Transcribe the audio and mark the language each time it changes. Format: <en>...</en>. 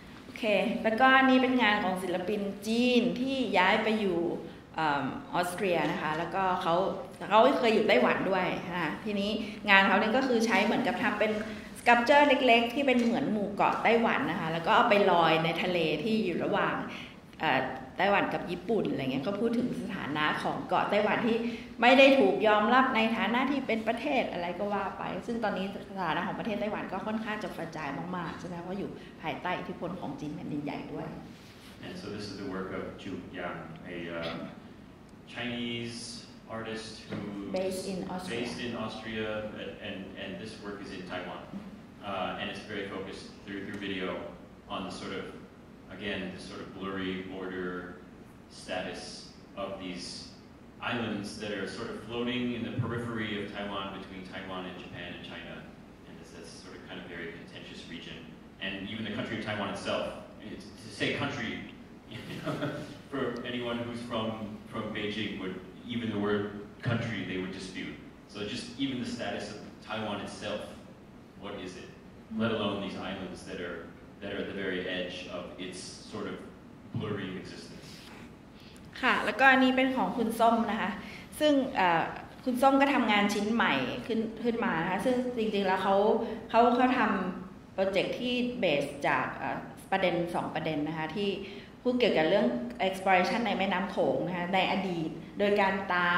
<th>Okay, แล้วก็นี่เป็นงานของศิลปินจีนที่ย้ายไปอยู่ออสเตรียนะคะแล้วก็เขาเคยอยู่ไต้หวันด้วยนะทีนี้งานเขาเนี่ยก็คือใช้เหมือนกับทำเป็นสกัปเจอร์เล็กๆที่เป็นเหมือนหมู่เกาะไต้หวันนะคะแล้วก็เอาไปลอยในทะเลที่อยู่ระหว่าง ไต้หวันกับญี่ปุ่นอะไรเงี้ยก็พูดถึงสถานะของเกาะไต้หวันที่ไม่ได้ถูกยอมรับในฐานะที่เป็นประเทศอะไรก็ว่าไปซึ่งตอนนี้สถานะของประเทศไต้หวันก็ค่อนข้างจะกระจายมากๆใช่ไหมเพราะอยู่ภายใต้อิทธิพลของจีนแผ่นดินใหญ่ด้วย</th> <en>And so this is the work of Zhu Yang, a Chinese artist who based in Austria and this work is in Taiwan and it's very focused through video on the sort of again, the sort of blurry border status of these islands that are sort of floating in the periphery of Taiwan between Taiwan and Japan and China. And it's this sort of kind of very contentious region. And even the country of Taiwan itself, it's, to say country, for anyone who's from Beijing, would even the word country, they would dispute. So just even the status of Taiwan itself, what is it? Let alone these islands that are at the very edge of its sort of blurry existence.</en> <th>ค่ะแล้วก็อันนี้เป็นของคุณส้มนะคะซึ่งคุณส้มก็ทำงานชิ้นใหม่ขึ้นมานะคะซึ่งจริงๆแล้วเขาทำโปรเจกต์ที่เบสจากประเด็น2ประเด็นนะคะที่พูดเกี่ยวกับเรื่อง exploration ในแม่น้ำโขงนะคะในอดีตโดยการต</th>